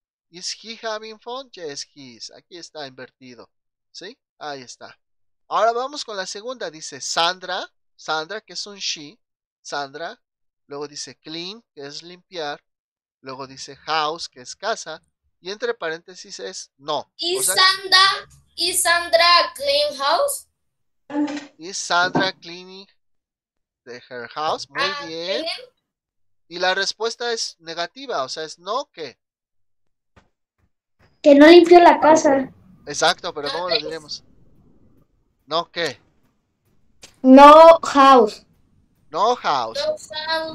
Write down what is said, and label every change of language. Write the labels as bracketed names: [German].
[English] Is he having fun? Yes, he is. [Spanish] Aquí está invertido. ¿Sí? Ahí está. Ahora vamos con la segunda. Dice Sandra. Sandra, que es un she. Sandra. Luego dice clean, que es limpiar. Luego dice house, que es casa. Y entre paréntesis es no. O sea. ¿Y Sandra Clean [English] Is Sandra cleaning the her house? [Spanish] Muy bien. Y la respuesta es negativa. O sea, es no, ¿qué? que no limpió la casa? Exacto, pero ¿cómo lo diremos? ¿No qué? [English] No house. No house. No